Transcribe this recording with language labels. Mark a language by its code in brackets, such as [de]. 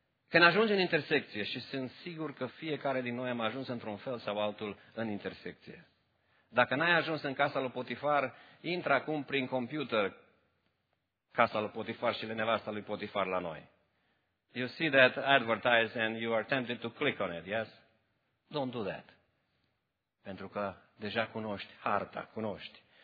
[ro] Când ajungi în intersecție, și sunt sigur că fiecare din noi am ajuns într-un fel sau altul în intersecție. Dacă n-ai ajuns în casa lui Potifar, intră acum prin computer casa lui Potifar și nevasta lui Potifar la noi. [en] You see that advertised and you are tempted to click on it, yes? Don't do that. [ro] Pentru că deja cunoști harta, cunoști.